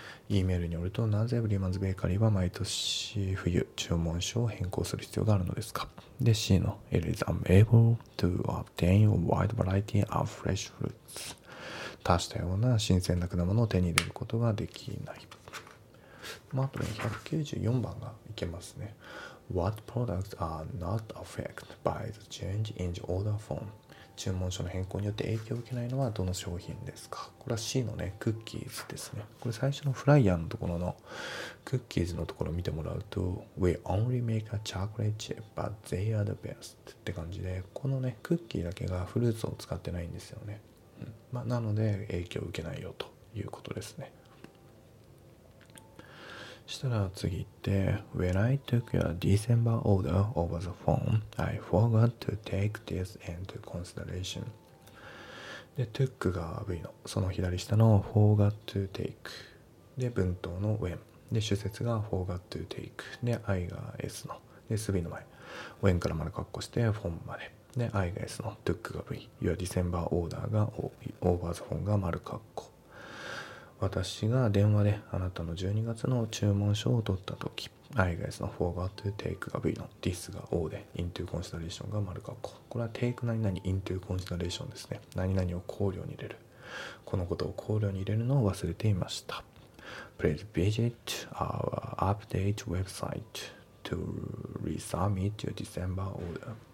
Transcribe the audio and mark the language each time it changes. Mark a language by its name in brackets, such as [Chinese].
[Japanese] E メールによると、なぜブリーマンズベーカリーは毎年冬注文書を変更する必要があるのですか。で、 C の [English] It is unable to obtain a wide variety of fresh fruits。 [Japanese] 多種多様な新鮮な果物を手に入れることができない。まあ、あとね、194番がいけますね。 [English] What products are not affected by the change in the order form? [Japanese] 注文書の変更によって影響を受けないのはどの商品ですか。これは C のね、クッキーズですね。これ最初のフライヤーのところのクッキーズのところを見てもらうと [English] We only make a chocolate chip but they are the best [Japanese] って感じで、このね、クッキーだけがフルーツを使ってないんですよね。まあ、なので影響を受けないよということですね。したら次行って [English] When I took your December order over the phone I forgot to take this into consideration。 [Japanese] で、 took が V のその左下の forgot to take で、文頭の when で、主節が forgot to take で、 I が S ので、 sb の前 when から丸括弧して form までで、 I が S の took が V your December order が over the phone が丸括弧、私が電話であなたの12月の注文書を取ったとき、I が S の forgot to take が V の this が O で into consideration が丸括弧。これは take 何々 into consideration ですね。何々を考慮に入れる。このことを考慮に入れるのを忘れていました。 [English] Please visit our update website to resubmit your December order。